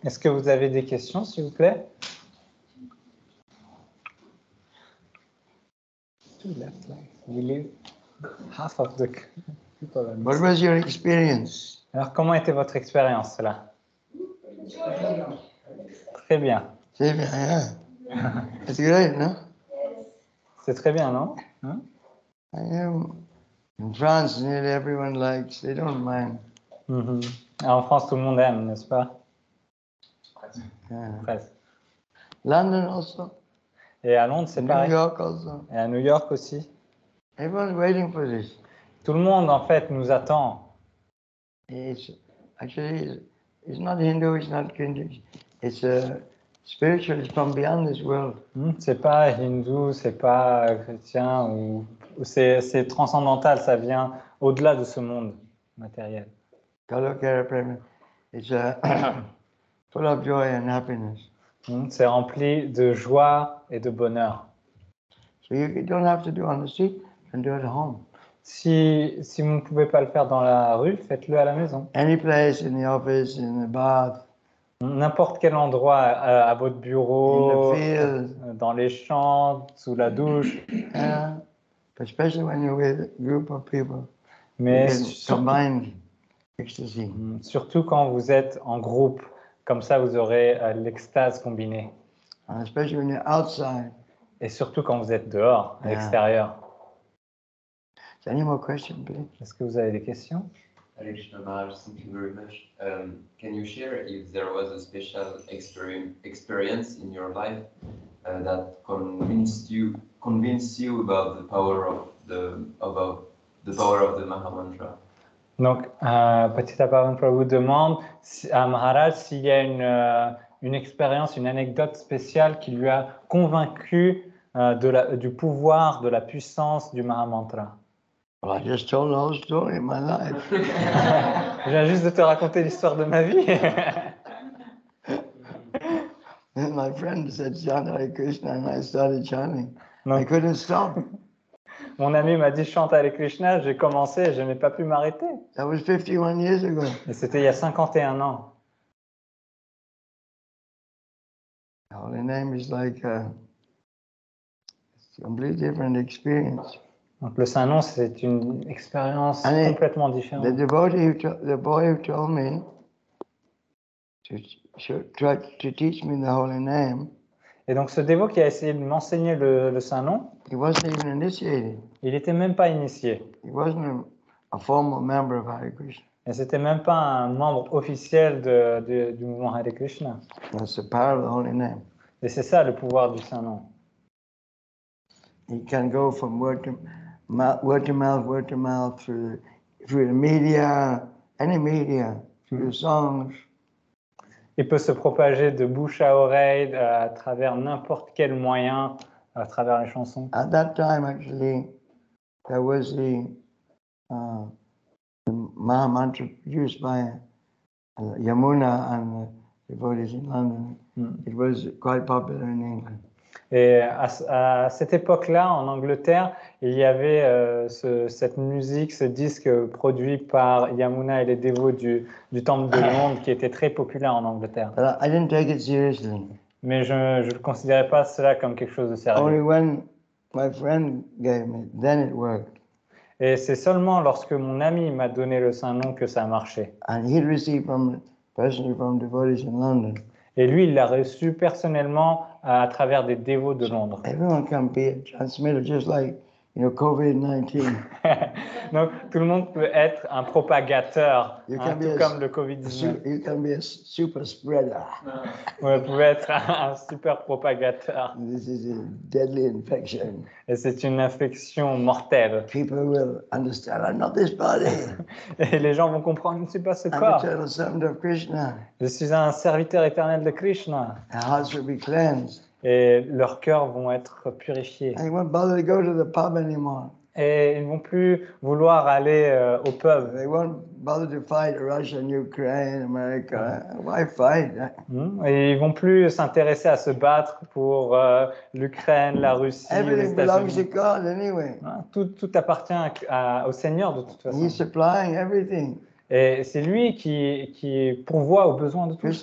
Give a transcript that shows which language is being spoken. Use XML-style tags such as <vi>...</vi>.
<fr>Est-ce que vous avez des questions, s'il vous plaît?</fr> <en>Two left, like, we leave half of the people. What was your experience?</en> <fr>Alors, comment était votre expérience, là? Très bien. Très bien,</fr> <en>yeah. It's great, no?</en> <fr>C'est très bien, non?</fr> <en>I am in France, nearly everyone likes, they don't mind. Mm-hmm.</en> <fr>En France, tout le monde aime, n'est-ce pas? Presque.</fr> <en>London also.</en> <fr>Et à Londres, c'est</fr> <en>New</en> <fr>pareil.</fr> <en>New York also.</en> <fr>Et à New York aussi.</fr> <en>Everyone's waiting for this.</en> <fr>Tout le monde, en fait, nous attend.</fr> <en>It's actually, it's not Hindu, it's not Hindu. It's spiritual, it's from beyond this world.</en> <fr>C'est pas Hindu, c'est pas chrétien, ou c'est transcendantal, ça vient au-delà de ce monde matériel.</fr> <en>It's full of joy and happiness.</en> <fr>C'est rempli de joie et de bonheur.</fr> <en>So you don't have to do on the street, and do it at home.</en> <fr>Si vous ne pouvez pas le faire dans la rue, faites-le à la maison.</fr> <en>Any place in the office, in the bath.</en> <fr>N'importe quel endroit, à votre bureau, dans les champs, sous la douche.</fr> <en>But especially when you're with a group of people,</en> <fr>mais</fr> <en>combined.</en> <fr>Surtout quand vous êtes en groupe, comme ça vous aurez l'extase combinée.</fr> <en>And especially when you're outside.</en> <fr>Et surtout quand vous êtes dehors, à l'extérieur.</fr> <en>Any more questions, please?</en> <fr>Est-ce que vous avez des questions?</fr> <en>Hare Krishna Maharaj, thank you very much. Can you share if there was a special experience in your life that convinced you about the power of the Maha Mantra?</en> <fr>Donc, Patita Pavanpra vous demande à Maharaj s'il y a une expérience, une anecdote spéciale qui lui a convaincu du pouvoir, de la puissance du Mahamantra.</fr> <en>Well, I just told the whole story of my life.</en> <fr>Je viens juste de te raconter l'histoire de ma vie.</fr> <en>And my friend said, "Chant Hare Krishna," and I started chanting.</en> <fr>Non.</fr> <en>I couldn't stop.</en> <fr>Mon ami m'a dit, chante Hare Krishna. J'ai commencé, je n'ai pas pu m'arrêter.</fr> <en>That was 51 years ago.</en> <fr>Et c'était il y a 51 ans.</fr> <en>Now, the name is like a completely different experience.</en> <fr>Donc le Saint-Nom, c'est une expérience complètement différente.</fr> <en>The devotee who told me to teach me the holy name.</en> <fr>Et donc ce dévot qui a essayé de m'enseigner le Saint-Nom,</fr> <en>he wasn't even initiated.</en> <fr>Il n'était même pas initié.</fr> <en>He wasn't a formal member of Hare Krishna.</en> <fr>Et ce n'était même pas un membre officiel du mouvement Hare Krishna.</fr> <en>That's the power of the holy name.</en> <fr>Et c'est ça le pouvoir du Saint-Nom.</fr> <en>He can go from word to mouth through the media, any media, through the songs.</en> <fr>Il peut se propager de bouche à oreille à travers n'importe quel moyen, à travers les chansons.</fr> <en>At that time, actually, there was the Mahamantra produced by Yamuna and the devotees in London. It was quite popular in England.</en> <fr>Et à cette époque-là, en Angleterre, il y avait cette musique, ce disque produit par Yamuna et les dévots du Temple de Londres qui était très populaire en Angleterre.</fr> <en>But I didn't take it seriously.</en> <fr>Mais je ne le considérais pas cela comme quelque chose de sérieux.</fr> <en>Only when my friend gave me, then it worked.</en> <fr>Et c'est seulement lorsque mon ami m'a donné le Saint-Nom que ça a marché.</fr> <en>And he received personally from devotees in London.</en> <fr>Et lui, il l'a reçu personnellement à travers des dévots de Londres.</fr> <en>Everyone can be a transmitter, just like, you know, COVID-19.</en> <fr>Donc, tout le monde peut être un propagateur, tout comme le COVID-19.</fr> <en>You can be a super spreader.</en> <fr>Vous pouvez être un super propagateur.</fr> <en>This is a deadly infection.</en> <fr>Et c'est une infection mortelle.</fr> <en>People will understand, I'm not this body.</en> <fr>Et les gens vont comprendre, je ne suis pas ce corps.</fr> <en>I'm a eternal servant of Krishna.</en> <fr>Je suis un serviteur éternel de Krishna.</fr> <en>Their hearts will be cleansed.</en> <fr>Et leurs cœurs vont être purifiés.</fr> <en>They won't bother to go to the pub anymore.</en> <fr>Et ils ne vont plus vouloir aller au pub.</fr> <en>They won't bother to fight Russia, Ukraine, America. Why fight?</en> <fr>Et ils ne vont plus s'intéresser à se battre pour l'Ukraine, la Russie,</fr> <en>Everything</en> <fr>les États-Unis.</fr> <en>Belongs to God anyway.</en> <fr>Tout appartient au Seigneur de toute façon.</fr> <en>He's supplying everything.</en> <fr>Et c'est lui qui pourvoit aux besoins de tous.</fr>